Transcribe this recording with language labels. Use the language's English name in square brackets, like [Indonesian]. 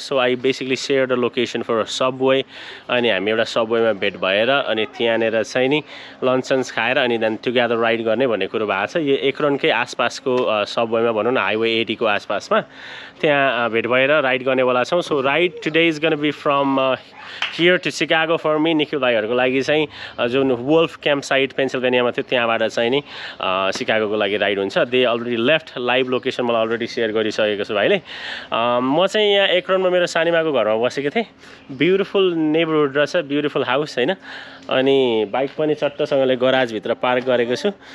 [English] So I basically shared the location for a subway [Nepali] ani हामी एउटा सबवेमा भेट भएर अनि त्यहाँनिर चाहिँ नि लन्चन्स खाएर अनि [English] then together ride [Nepali] गर्ने भन्ने कुरो भएको छ। यो एकरनकै आसपासको सबवेमा भनौँ न, हाइवे 80 को आसपासमा त्यहाँ भेट भएर राइड गर्नेवाला छौँ। [English] So ride today is gonna be from here to Chicago for me. [Nepali] Nikhil भाइहरूको लागि चाहिँ जुन वुल्फ क्याम्प साइट पेन्सिल्भेनियामा थियो त्यहाँबाट चाहिँ नि सिकागोको लागि राइड हुन्छ। [English] they already left, [Nepali] live location मलाई अलरेडी सेयर गरिसकेको छु भाइले। म चाहिँ यहाँ एकरनमा मेरो सानीमाको घरमा बसेको थिएँ। [English] beautiful neighbourhood [Nepali] रहेछ, ब्युटिफुल हाउस होइन, अनि बाइक पनि चट्टसँगले गराजभित्र पार्क गरेको छु।